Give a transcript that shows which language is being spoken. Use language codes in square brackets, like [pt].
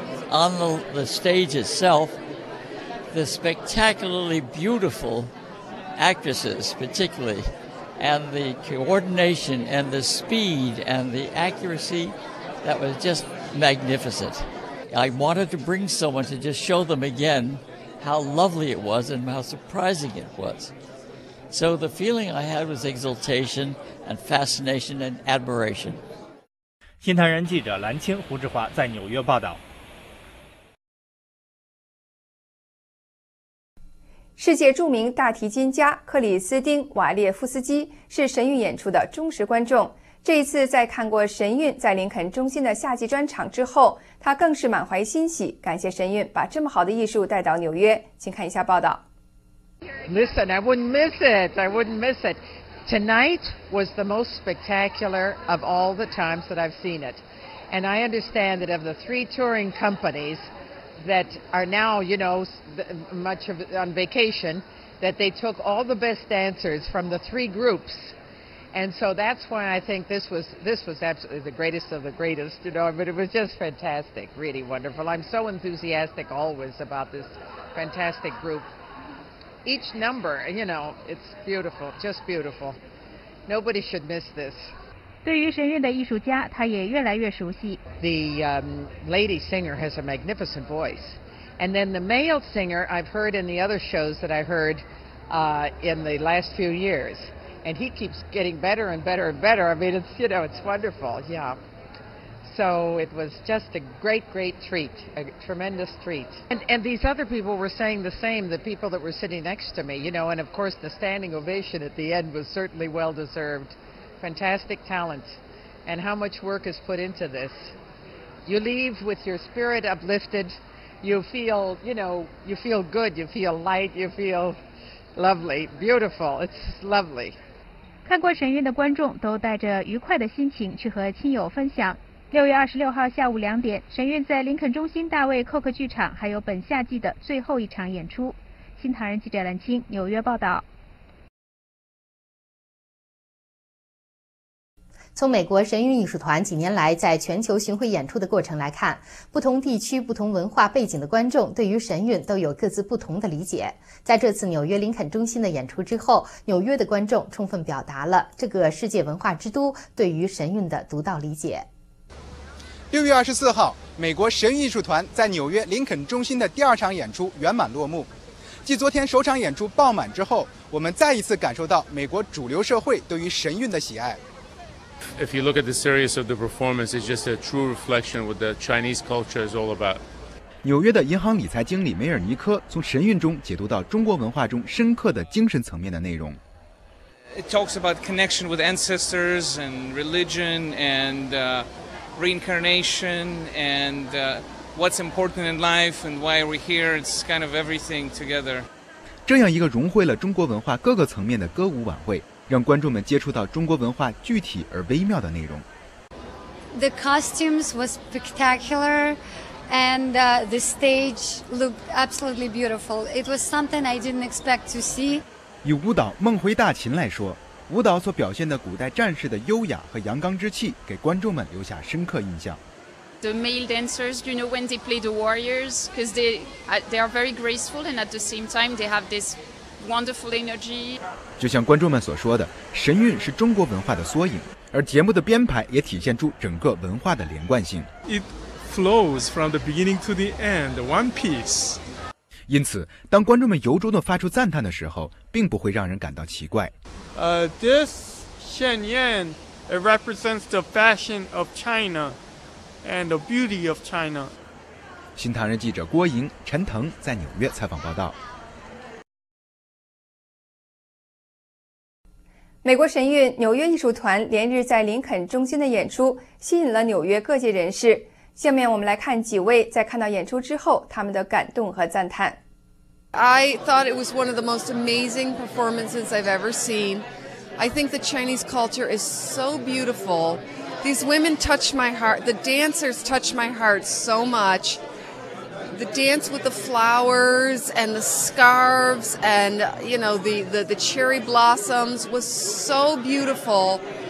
[en] on the stage itself, the spectacularly beautiful actresses particularly, and the coordination and the speed and the accuracy, that was just magnificent. I wanted to bring someone to just show them again how lovely it was and how surprising it was. So the feeling I had was exultation and fascination and admiration. [zh] 新唐人记者蓝青、胡志华在纽约报道。世界著名大提琴家克里斯丁·瓦列夫斯基是神韵演出的忠实观众。这一次在看过神韵在林肯中心的夏季专场之后，他更是满怀欣喜，感谢神韵把这么好的艺术带到纽约。请看一下报道。 [en] Listen, I wouldn't miss it. I wouldn't miss it. Tonight was the most spectacular of all the times that I've seen it. And I understand that of the three touring companies,that are now, you know, much of on vacation, that they took all the best dancers from the three groups. And so that's why I think this was absolutely the greatest of the greatest, you know, but it was just fantastic, really wonderful. I'm so enthusiastic always about this fantastic group. Each number, you know, it's beautiful, just beautiful. Nobody should miss this. [zh] 对于神韵的艺术家，他也越来越熟悉。 [en] The lady singer has a magnificent voice, and then the male singer I've heard in the other shows that I heard in the last few years, and he keeps getting better and better and better. I mean, it's, you know, it's wonderful. Yeah. So it was just a great, great treat, a tremendous treat. And these other people were saying the same. The people that were sitting next to me, you know, and of course the standing ovation at the end was certainly well deserved. Fantastic talent, and how much work is put into this. You leave with your spirit uplifted. You feel, you know, you feel good, you feel light, you feel lovely, beautiful. It's lovely. [zh] 看过神韵的观众都带着愉快的心情去和亲友分享。 6月26号下午2点，神韵在林肯中心大卫寇克剧场还有本夏季的最后一场演出。新唐人记者蓝青，纽约报道。从美国神韵艺术团几年来在全球巡回演出的过程来看，不同地区、不同文化背景的观众对于神韵都有各自不同的理解。在这次纽约林肯中心的演出之后，纽约的观众充分表达了这个世界文化之都对于神韵的独到理解。 6月24号，美国神韵艺术团在纽约林肯中心的第二场演出圆满落幕。继昨天首场演出爆满之后，我们再一次感受到美国主流社会对于神韵的喜爱。 [en] If you look at the series of the performance, it's just a true reflection of what the Chinese culture is all about. [zh] 纽约的银行理财经理梅尔尼科从神韵中解读到中国文化中深刻的精神层面的内容。 [en] It talks about connection with ancestors and religion and reincarnation and what's important in life and why we're here. It's kind of everything together. [zh] 这样一个融汇了中国文化各个层面的歌舞晚会。让观众们接触到中国文化具体而微妙的内容。 [en] The costumes were spectacular, and the stage looked absolutely beautiful. It was something I didn't expect to see. [zh] 以舞蹈《梦回大秦》来说，舞蹈所表现的古代战士的优雅和阳刚之气，给观众们留下深刻印象。 [en] The male dancers, you know, when they play the warriors, because they are very graceful, and at the same time they have this. Wonderful energy. [zh] 就像观众们所说的，神韵是中国文化的缩影，而节目的编排也体现出整个文化的连贯性。 [en] It flows from the beginning to the end, one piece. [zh] 因此，当观众们由衷地发出赞叹的时候，并不会让人感到奇怪。 [en] This Shen Yan it represents the fashion of China and the beauty of China. [zh] 新唐人记者郭莹、陈腾在纽约采访报道。美国神韵纽约艺术团连日在林肯中心的演出吸引了纽约各界人士。下面我们来看几位在看到演出之后他们的感动和赞叹。 [en] I thought it was one of the most amazing performances I've ever seen. I think the Chinese culture is so beautiful. These women touch my heart. The dancers touch my heart so much. The dance with the flowers and the scarves and, you know, the cherry blossoms was so beautiful.